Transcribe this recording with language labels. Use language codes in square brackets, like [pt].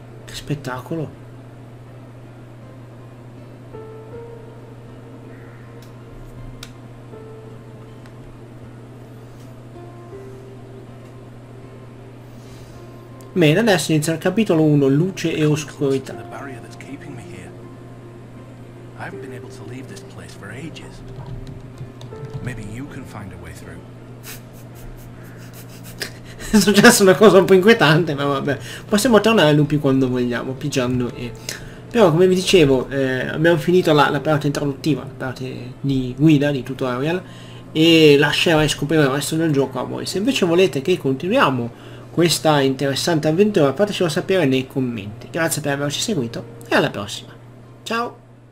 [it] Spettacolo. Bene, adesso inizia il capitolo 1, luce e oscurità. [en] The barrier that's keeping me here. I haven't been able to leave this place for ages. Maybe you can find a way through. [it] È successa una cosa un po' inquietante, ma vabbè, possiamo tornare ai lupi quando vogliamo, pigiando e... Però come vi dicevo, abbiamo finito la parte introduttiva, la parte di guida, di tutorial, e lascerei scoprire il resto del gioco a voi. Se invece volete che continuiamo questa interessante avventura, fatecelo sapere nei commenti. Grazie per averci seguito e alla prossima. Ciao!